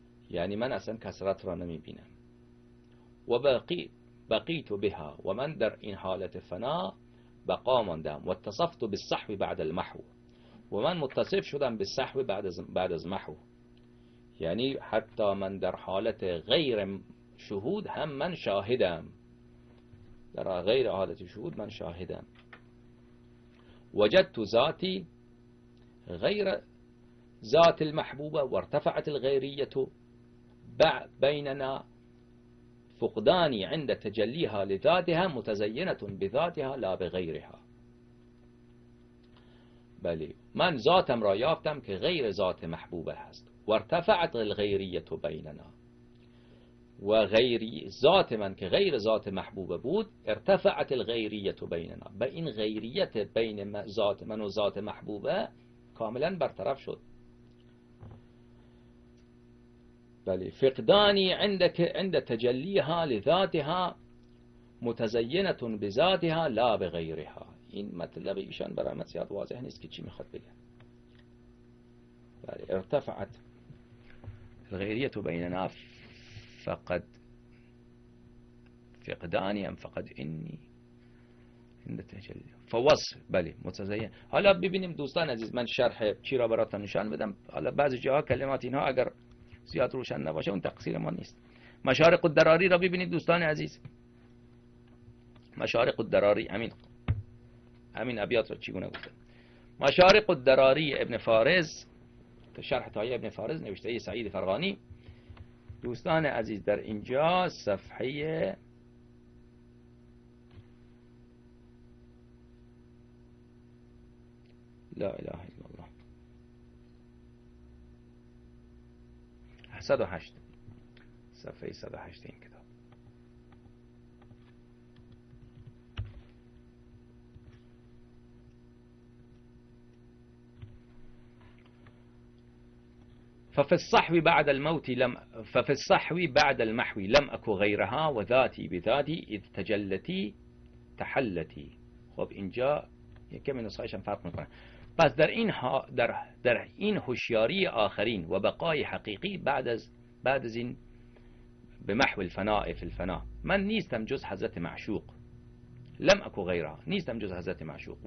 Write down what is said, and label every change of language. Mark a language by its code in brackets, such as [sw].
[fa] یعنی من اصلا کثرت را نمی بینم، [ar] و بقیت بها [fa] و من در این حالت فنا بقا ماندم، [ar] و اتصفت بالصحو بعد المحو [fa] و من متصف شدم بالصحو بعد از محو، یعنی حتی من در حالت غیر شهود هم من شاهدم، در غیر حالت شهود من شاهدم. [ar] وجدت ذاتي غير ذات المحبوبة وارتفعت الغيرية بيننا فقداني عند تجليها لذاتها متزينة بذاتها لا بغيرها، [fa] بل من ذاتم را يافتم كغير ذات محبوبة هست، [ar] وارتفعت الغيرية بيننا [fa] وغير ذات من که غیر ذات محبوبه بود، [ar] ارتفعت الغیریت بیننا، [fa] به این غیریت بین ذات من و ذات محبوبه کاملا برطرف شد. بلی [ar] فقدانی عند تجلیها لذاتها متزینت بذاتها لا بغیرها، [fa] این مطلب ایشان برای من زیاد واضح نیست که چی میخواد بگه. [ar] بلی ارتفعت الغیریت بیننا فقد فقداني ام فقد اني عند تجلي فوص بله متزين. [fa] حالا ببینیم دوستان عزیز، من شرح چی را براتون نشان بدم. حالا بعضی جاها کلمات اینها اگر زیاد روشن نباشه اون تقصیر ما نیست. مشارق الدراری را ببینید دوستان عزیز، مشارق الدراری امین ابیات را چگونه گفته. مشارق الدراری ابن فارز، شرح تایی ابن فارز نوشته ای سعید فرغانی دوستان عزیز، در اینجا صفحه [ar] لا إله إلا الله. [fa] صد و هشت، صفحه 108 این کتاب. [ar] ففي الصحو بعد الموت لم ففي الصحو بعد المحو لم أكو غيرها وذاتي بذاتي إذ تجلتي تحلتي. [fa] خب اینجا یکم این نسخه فرق میکنه. پس در این ها در این هوشیاری آخرین و بقای حقیقی بعد از این به محو الفناء فی الفناء، من نیستم جز حضرت معشوق، [ar] لم اكو غیرها، [fa] نیستم جز حضرت معشوق.